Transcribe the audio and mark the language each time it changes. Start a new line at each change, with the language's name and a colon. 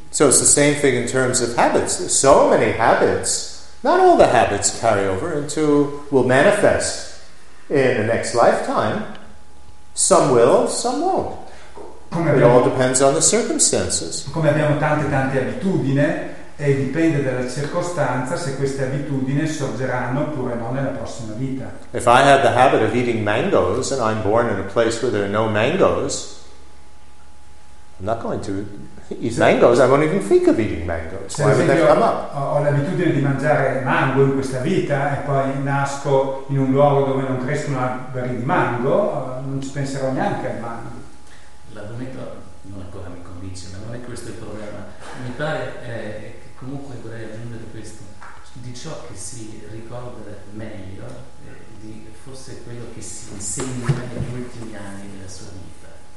English: So it's the same thing in terms of habits. So many habits. Not all the habits carry over into will manifest in the next lifetime. Some will, some won't. It all depends on the circumstances.
Italian: Come abbiamo tante abitudini, e dipende dalla circostanza se queste abitudini sorgeranno oppure no nella prossima vita.
English: If I had the habit of eating mangoes and I'm born in a place where there are no mangoes, I'm not going to eat mangoes. I won't even think of eating mangoes. Why would that come up?
Italian: Ho l'abitudine di mangiare mango in questa vita e poi nasco in un luogo dove non crescono alberi di mango, non ci penserò neanche al mango. L'argomento non ancora mi convince, ma non è questo il problema. Mi pare che comunque vorrei aggiungere questo. Di ciò che si ricorda meglio, di forse quello che si insegna negli ultimi anni della sua vita.